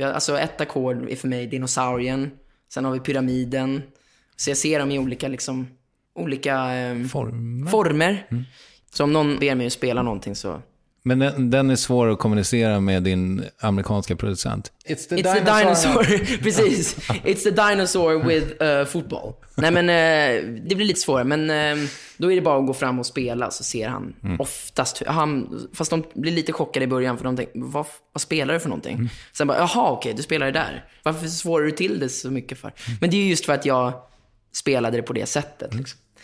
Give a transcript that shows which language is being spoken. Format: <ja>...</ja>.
<sv>Alltså ett ackord är för mig dinosaurien. Sen har vi pyramiden. Så jag ser dem i olika liksom, olika former. Mm. Så om någon ber mig att spela någonting så... Men den är svår att kommunicera med din amerikanska producent.</sv> <en>It's the dinosaur.</en> <sv>Precis.</sv> <en>It's the dinosaur with football.</en> <sv>Nej, men det blir lite svårare. Men då är det bara att gå fram och spela, så ser han oftast... Han, fast de blir lite chockade i början, för de tänker, vad spelar du för någonting? Mm. Sen bara, jaha, okej, du spelar det där. Varför svårar du till det så mycket för? Men det är just för att jag spelade det på det sättet. Mm. Liksom.</sv>